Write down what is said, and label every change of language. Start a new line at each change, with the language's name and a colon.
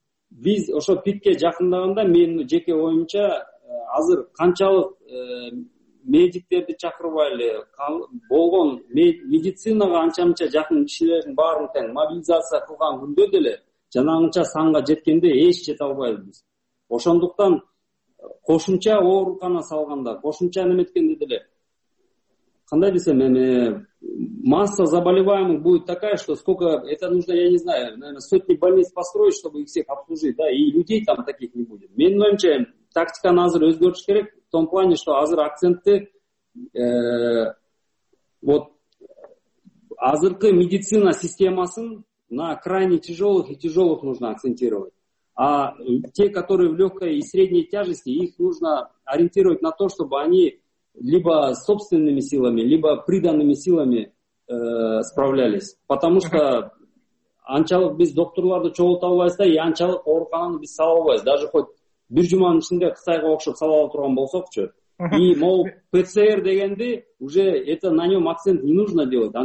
Kyrgyz: Биз ошо пикке жакындаганда менин жеке оюмча азыр канчалык медиктерди чакырбай эле болгон медицинага анча мынча жакын кишилердин баарын тең мобилизация кылган күндө деле жанагынча санга жеткенде эч жете албайбыз. Ошондуктан кошумча оорукана салганда, кошумча неметкенде деле, кандай десем, эми
Russian: масса заболеваемых будет такая, что сколько это нужно, я не знаю, наверное, сотни больниц построить, чтобы их всех обслужить, да, и людей там таких не будет.
Kyrgyz: Менин оюмча тактиканы азыр өзгөртүш керек,
Russian: в том плане, что
Kyrgyz: азыр акцентти
Russian: вот
Kyrgyz: азыркы медицина системасын
Russian: на крайне тяжелых и тяжелых нужно акцентировать. А те, которые в легкой и средней тяжести, их нужно ориентировать на то, чтобы они либо собственными силами, либо приданными силами справлялись. Потому что
Kyrgyz: анчалык биз доктурларды чогулта албайбыз да, и анчалык оорукананы биз сала албайбыз.
Russian: Даже хоть
Kyrgyz: бир жуманын ичинде Кытайга окшоп сала ала турган болсокчу.
Russian: И мол ПЦР
Kyrgyz: дегенди
Russian: уже это на нем акцент не нужно делать.